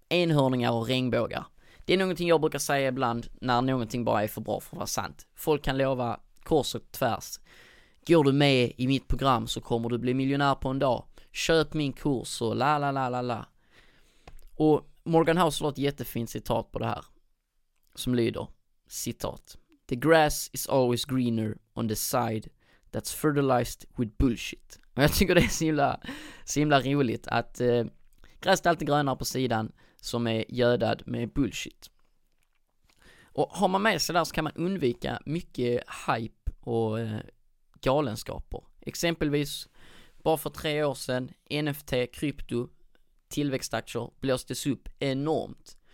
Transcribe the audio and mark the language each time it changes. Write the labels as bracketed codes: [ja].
[sv] Enhörningar och regnbågar. Det är någonting jag brukar säga ibland när någonting bara är för bra för att vara sant. Folk kan lova kors och tvärs. Går du med i mitt program så kommer du bli miljonär på en dag. Köp min kurs och la la la la la. Och Morgan Housel har ett jättefint citat på det här. Som lyder, citat, [en] "The grass is always greener on the side that's fertilized with bullshit." [sv] Och jag tycker det är så himla roligt att gräset är alltid grönare på sidan som är gödad med bullshit. Och har man med sig där så kan man undvika mycket hype och galenskaper. Exempelvis, bara för 3 år sedan, NFT, krypto, tillväxtaktier blåstes upp enormt.